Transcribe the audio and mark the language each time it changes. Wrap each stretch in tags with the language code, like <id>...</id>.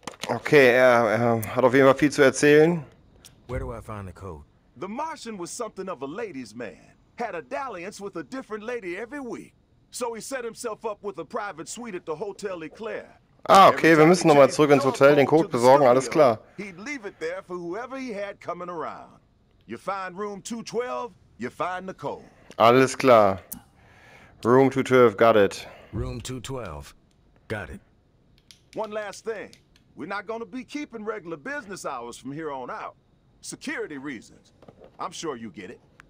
<de>Okay, hat auf jeden Fall viel zu erzählen.</de> <en>Where do I find the code? The Martian was something of a ladies' man. Had a dalliance with a different lady every week. So he set himself up with a private suite at the Hotel Eclair.</en> <de>Ah, okay, wir müssen nochmal zurück ins Hotel, den Code besorgen, alles klar.</de> <en>He'd leave it there for whoever he had coming around. You find room 212, you find the code.</en> <de>Alles klar.</de> <en>Room 212, got it. Room 212, got it. One last thing. We're not gonna be keeping regular business hours from here on out. Security reasons. I'm sure you get it.</en>